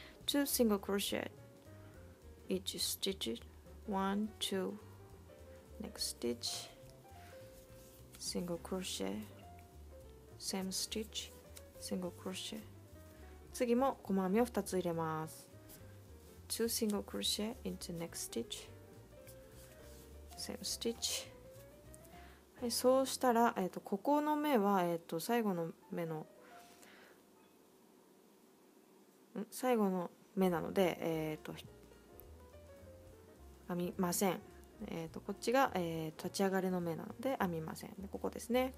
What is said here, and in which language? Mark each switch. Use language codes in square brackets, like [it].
[en] 2 single crochet each stitch 1 2Next stitch, single crochet, same stitch, single crochet. [ja] 次も細編みを2つ入れます。 [en] 2 single crochet into next stitch, same stitch, [ja] はい、そうしたら、ここの目は、最後の目の最後の目なので、編みません。こっちが、立ち上がりの目なので編みません。で、ここですね。